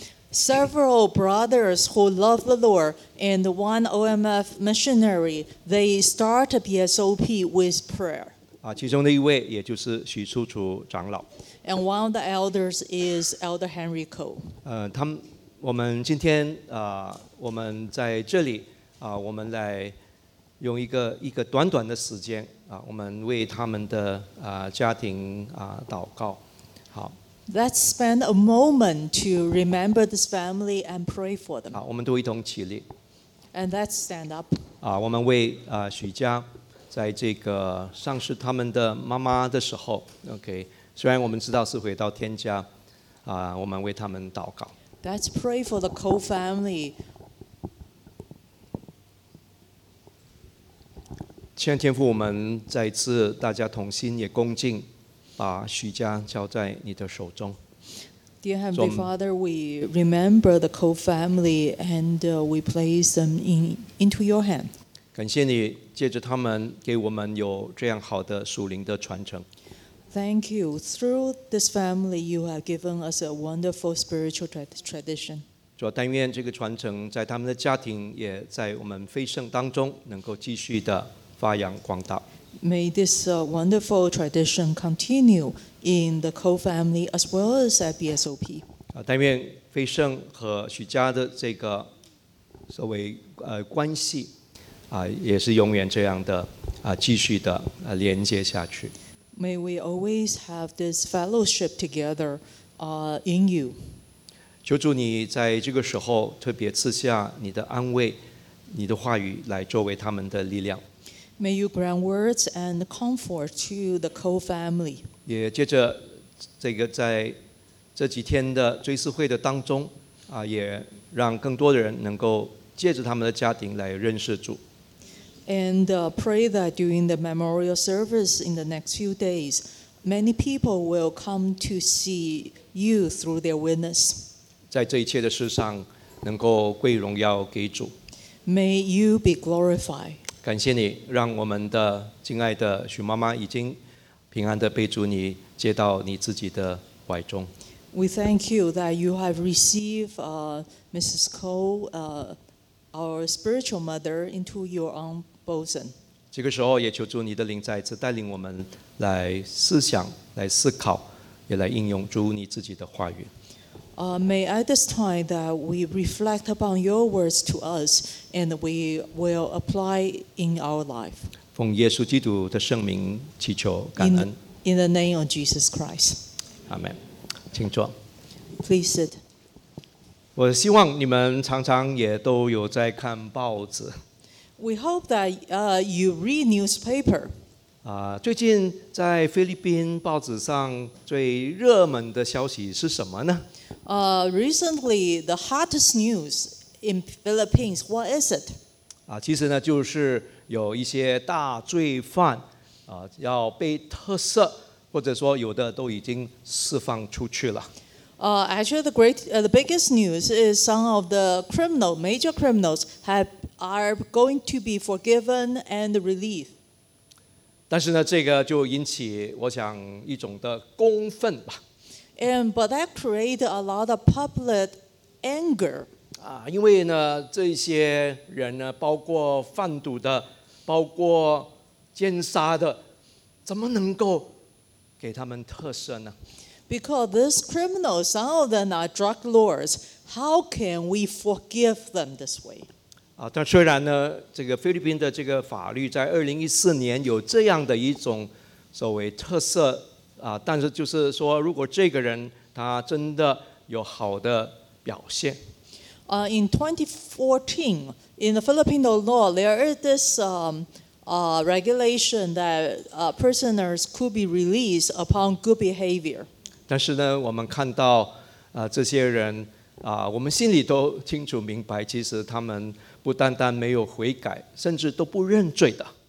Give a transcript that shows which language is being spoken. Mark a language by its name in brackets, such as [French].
[English] Several brothers who love the Lord and one OMF missionary, they start a BSOP with prayer. [Chinese] 其中的一位也就是许叔叔长老。 [English] And one of the elders is Elder Henry Cole. [Chinese] 我们今天我们在这里我们来用一个短短的时间我们为他们的家庭祷告。好。 [English] Let's spend a moment to remember this family and pray for them. [Chinese] 我们都一同起立。 [English] And let's stand up. [Chinese] 我们为许家在这个丧失他们的妈妈的时候 okay, 虽然我们知道是回到天家我们为他们祷告。 [English] Let's pray for the Cole family. [Chinese] 亲爱的天父，我们再次大家同心也恭敬把许家交在你的手中。 [English] Dear Heavenly Father, we remember the Cole family and we place them into your hand. [Chinese] 感谢你借着他们给我们有这样好的属灵的传承。 [English] Thank you. Through this family, you have given us a wonderful spiritual tradition. [Chinese] 主啊，但愿这个传承在他们的家庭也在我们飞升当中能够继续的发扬光大。 [English] May this wonderful tradition continue in the Cole family as well as at BSOP. [Chinese] 但愿飞升和许家的这个所谓关系也是永远这样的继续的连接下去。 [English] May we always have this fellowship together in you. [Chinese] 求主你在这个时候特别赐下你的安慰，你的话语来作为他们的力量。 [English] May you grant words and comfort to the Cole family. [Chinese] 也接着这个在这几天的追思会的当中也让更多的人能够借着他们的家庭来认识主。 [English] And pray that during the memorial service in the next few days, many people will come to see you through their witness. [Chinese] 在这一切的事上能够归荣耀给主。 [English] May you be glorified. [Chinese] 感谢你让我们的敬爱的许妈妈已经平安地被主你接到你自己的怀中。 [English] We thank you that you have received Mrs. Cole, our spiritual mother, into your own bosom. [Chinese] 这个时候也求主你的灵再次带领我们来思想、来思考，也来应用主你自己的话语。 [English] May at this time that we reflect upon your words to us and we will apply in our life. [Chinese] 奉耶稣基督的圣名祈求感恩。 [English] In the name of Jesus Christ. [Chinese] Amen. 请坐。 [English] Please sit. [Chinese] 我希望你们常常也都有在看报纸。 [English] We hope that you read newspaper. [Chinese] 最近在菲律宾报纸上最热门的消息是什么呢？ [English] Recently, the hottest news in Philippines, what is it? [Chinese] 其实呢，就是有一些大罪犯要被特赦。或者说有的都已经释放出去了。 [English] Actually, the biggest news is some of the criminals, major criminals, are going to be forgiven and released. [Chinese] 但是呢，这个就引起我想一种的公愤吧。 [English] But that created a lot of public anger. [Chinese] 因为呢，这些人呢，包括贩毒的，包括奸杀的，怎么能够？给他们特赦呢 [English] ？Because these criminals, some of them are drug lords. How can we forgive them this way? [Chinese] 但虽然呢，这个菲律宾的这个法律在2014年有这样的一种所谓特赦但是就是说，如果这个人他真的有好的表现 [English] ，In 2014, in the Filipino law, there is this regulation that prisoners could be released upon good behavior. [Chinese] 但是呢，我们看到这些人我们心里都清楚明白，其实他们不单单没有悔改，甚至都不认罪的。